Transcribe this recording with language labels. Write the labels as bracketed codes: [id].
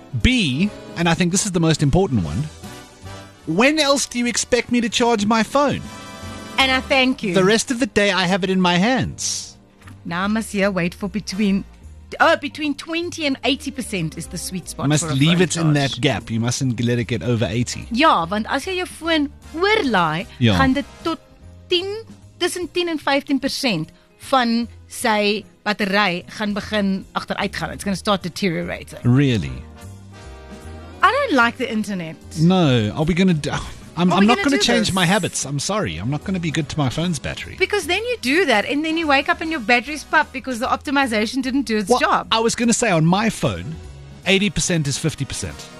[en] B, and I think this is the most important one, when else do you expect me to charge my phone? And I thank you. The rest of the day I have it in my hands. Now I must here wait for between 20 and 80% is the sweet spot. You must leave it charge. In that gap. You mustn't let it get over 80. [af] Ja, want as jy jou foon oorlaai, gaan dit tot 10 tussen 10 en 15% van sy battery gaan begin agteruit gaan. [en] It's going to start deteriorating. Really? I don't like the internet. No, are we going to... I'm not going to change my habits. I'm sorry. I'm not going to be good to my phone's battery. Because then you do that and then you wake up and your battery's popped because the optimization didn't do its job. I was going to say on my phone, 80% is 50%.